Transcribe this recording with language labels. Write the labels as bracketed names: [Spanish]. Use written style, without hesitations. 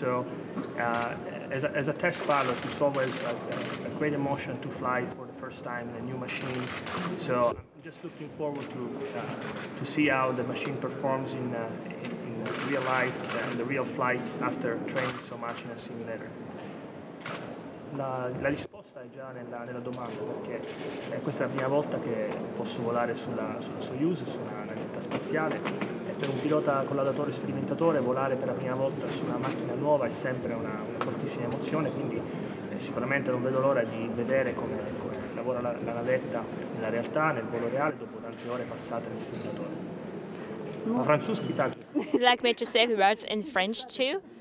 [English] So, as a test pilot, it's always a great emotion to fly for the first time in a new machine. So, I'm just looking forward to see how the machine performs in real life and the real flight after training so much in a simulator. [Italian] La risposta è già nella domanda, perché questa è la prima volta che posso volare sulla Soyuz, su una navetta spaziale, e per un pilota collaudatore sperimentatore volare per la prima volta su una macchina nuova è sempre una fortissima emozione, quindi sicuramente non vedo l'ora di vedere come lavora la navetta nella realtà, nel volo reale, dopo tante ore passate nel simulatore. Ma Franzuski, tanto. [English] Like me to say the words in French too?